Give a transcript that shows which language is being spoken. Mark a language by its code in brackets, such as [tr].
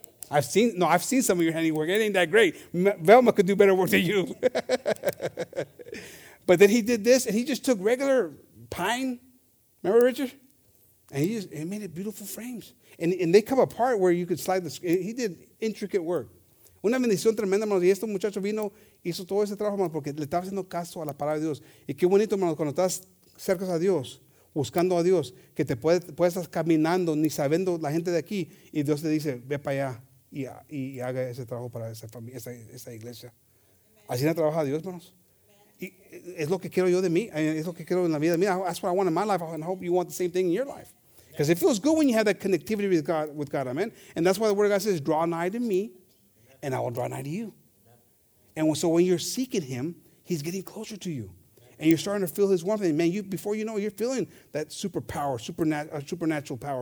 [en] I've seen some of your handiwork. It ain't that great. Velma could do better work than you. But then he did this, and he just took regular pine. Remember, Richard? And he made it beautiful frames. And they come apart where you could slide the screen. He did intricate work. [es] Una bendición tremenda, hermanos. Y este muchacho vino. Hizo todo ese trabajo, hermano, porque le estaba haciendo caso a la palabra de Dios. Y qué bonito, hermano, cuando estás cerca a Dios, buscando a Dios, que te puedes estar caminando, ni sabiendo la gente de aquí, y Dios te dice, ve para allá y haga ese trabajo para esa familia, esa iglesia. Amen. Así no trabaja Dios, hermanos. Es lo que quiero yo de mí. Es lo que quiero en la vida de mí. [en] That's what I want in my life. And I hope you want the same thing in your life. Because it feels good when you have that connectivity with God. With God, amen. And that's why the Word of God says, draw nigh to me, and I will draw nigh to you. And so when you're seeking him, he's getting closer to you. And you're starting to feel his warmth. And man, you before you know it, you're feeling that superpower, supernatural power.